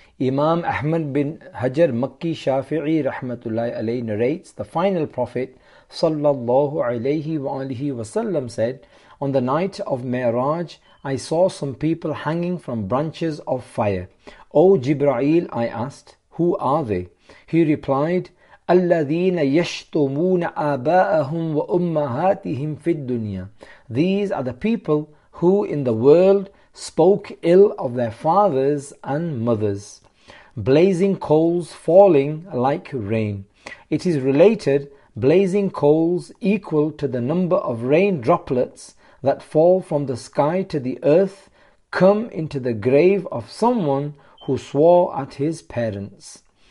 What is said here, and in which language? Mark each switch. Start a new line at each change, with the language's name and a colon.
English: Imam Ahmad bin Hajar Makki Shafi'i rahmatullahi alayhi narrates, the final prophet sallallahu alayhi wa alihi wasallam said, on the night of Mi'raj, I saw some people hanging from branches of fire. O Jibra'il, I asked, who are they? He replied,
Arabic: الَّذِينَ يَشْتُمُونَ آبَاءَهُمْ وَأُمَّهَاتِهِمْ فِي الدُّنْيَا.
English: These are the people who in the world spoke ill of their fathers and mothers. Blazing coals falling like rain. It is related, blazing coals equal to the number of rain droplets that fall from the sky to the earth come into the grave of someone who swore at his parents.